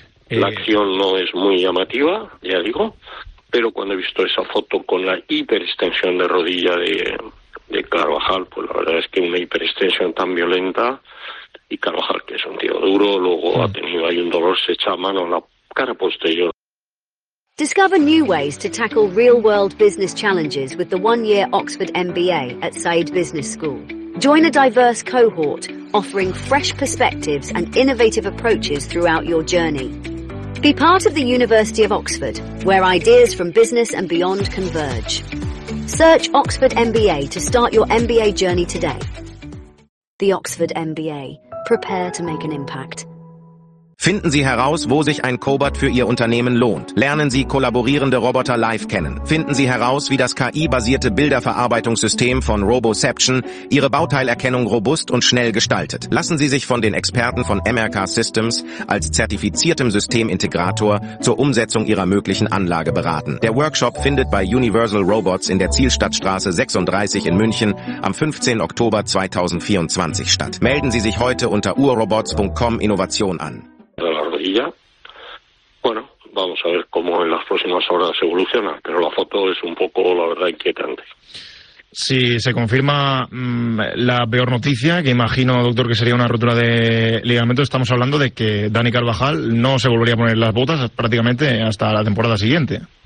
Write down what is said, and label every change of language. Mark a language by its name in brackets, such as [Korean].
[Spanish] La acción no es muy llamativa, ya digo, pero cuando he visto esa foto con la hiperextensión de rodilla de Carvajal, pues la verdad es que una hiperextensión tan violenta, y Carvajal, que es un tío duro, luego ha tenido ahí un dolor, se echa a mano en la cara posterior. [English] Discover new ways to tackle real-world business challenges with the one-year Oxford MBA at Said Business School. Join a diverse cohort offering fresh perspectives and innovative approaches throughout your journey. Be part of the University of Oxford, where ideas from business and beyond converge. Search Oxford MBA to start your MBA journey today. The Oxford MBA. Prepare to make an impact. [German] Finden Sie heraus, wo sich ein Cobot für Ihr Unternehmen lohnt. Lernen Sie kollaborierende Roboter live kennen. Finden Sie heraus, wie das KI-basierte Bilderverarbeitungssystem von Roboception Ihre Bauteilerkennung robust und schnell gestaltet. Lassen Sie sich von den Experten von MRK Systems als zertifiziertem Systemintegrator zur Umsetzung Ihrer möglichen Anlage beraten. Der Workshop findet bei Universal Robots in der Zielstadtstraße 36 in München am 15. Oktober 2024 statt. Melden Sie sich heute unter urrobots.com Innovation an. [Spanish] De la rodilla, bueno, vamos a ver cómo en las próximas horas evoluciona, pero la foto es un poco, la verdad, inquietante. Si se confirma la peor noticia, que imagino, doctor, que sería una rotura de ligamento, estamos hablando de que Dani Carvajal no se volvería a poner las botas prácticamente hasta la temporada siguiente.